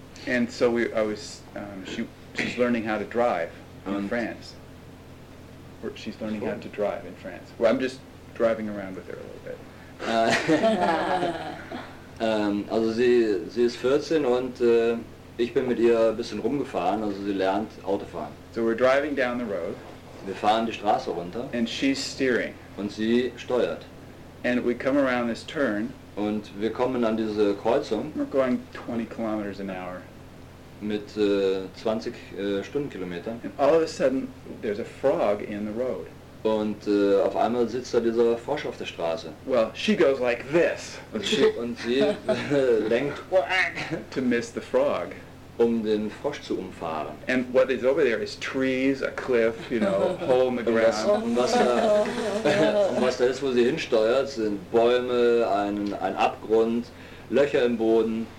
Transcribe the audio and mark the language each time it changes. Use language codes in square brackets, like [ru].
[en] And so we, I was, she's learning how to drive in France. Or she's learning how to drive in France. Well, I'm just driving around with her a little bit. [de] Also sie ist 14 und ich bin mit ihr ein bisschen rumgefahren, also sie lernt Autofahren. [en] So we're driving down the road. [de] Wir fahren die Straße runter. [en] And she's steering. [de] Und sie steuert. [en] And we come around this turn. [de] Und wir kommen an diese Kreuzung. [en] We're going 20 kilometers an hour. [de] Mit 20 Stundenkilometern. [en] And all of a sudden there's a frog in the road. [de] Und auf einmal sitzt da dieser Frosch auf der Straße. [en] Well, she goes like this. [de] Und sie lenkt, [en] to miss the frog. [de] Um den Frosch zu umfahren. [en] And what is over there is trees, a cliff, you know, a hole in the ground. [de] Und was da ist, wo sie hinsteuert, sind Bäume, ein Abgrund, Löcher im Boden.